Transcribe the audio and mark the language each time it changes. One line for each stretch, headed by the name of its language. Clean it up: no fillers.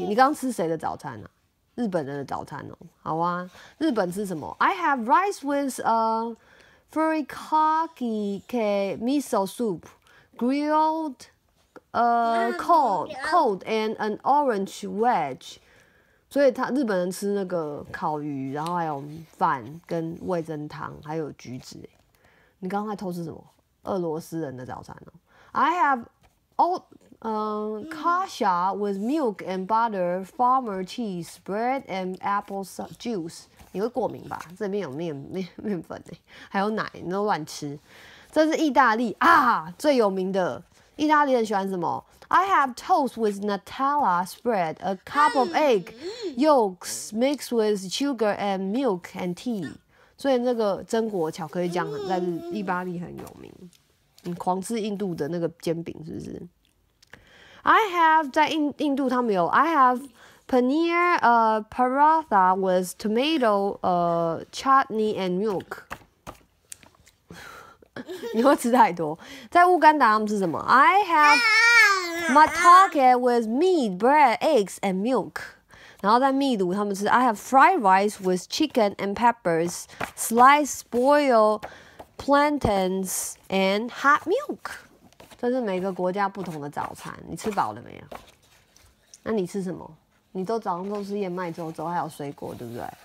Chinese: 你刚吃谁的早餐啊？日本人的早餐哦。好啊，日本吃什么 ？
English: I have rice with a furikake cake miso soup。 Grilled, cold, and an orange wedge.
Chinese: 所以他日本人吃那个烤鱼，然后还有饭跟味噌汤，还有橘子。你刚才偷吃什么？俄罗斯人的早餐哦。
English: I have oat, kasha with milk and butter, farmer cheese, bread and apple juice.
Chinese: 你会过敏吧？这边有面粉哎，还有奶，你都乱吃。这是意大利啊，最有名的。意大利人喜欢什么？
English: I have toast with Nutella spread, a cup of egg, yolks mixed with sugar and milk and tea.
Chinese: 所以那个榛果巧克力酱在意大利很有名。你狂吃印度的那个煎饼是不是
English: ？I have
Chinese: 在印度他们有
English: I have paneer paratha with tomato chutney and milk.
Chinese: 你会吃太多。在乌干达他们吃什么 ？
English: I have Matake with meat, bread, eggs, and milk.
Chinese: 然后在秘鲁他们吃
English: I have fried rice with chicken and peppers, sliced boiled plantains, and hot milk.
Chinese: 这是每个国家不同的早餐。你吃饱了没有？那你吃什么？你都早上都吃燕麦粥，粥还有水果，对不对？